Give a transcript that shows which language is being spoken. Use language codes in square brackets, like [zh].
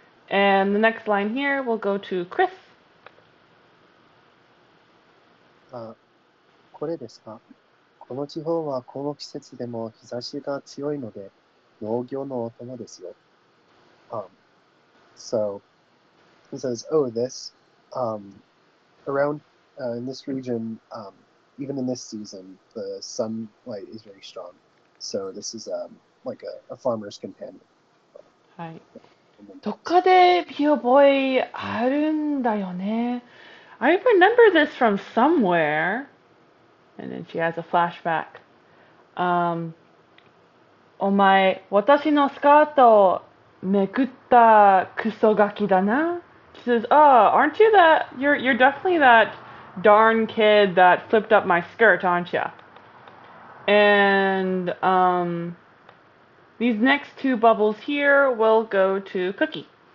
[en] And the next line here, we'll go to Chris. [ja] これですか? この地方はこの季節でも日差しが強いので農業のお供ですよ。 [en] So he says, oh, this, around in this region, even in this season, the sunlight is very strong. So this is like a farmer's companion. [ja] はい。どっかで見覚えあるんだよね。 [en] I remember this from somewhere. And then she has a flashback. [ja] お前、私のスカートめくったクソガキだな。 [en] She says, oh, aren't you that, you're definitely that darn kid that flipped up my skirt, aren't you? And these next two bubbles here will go to Cookie.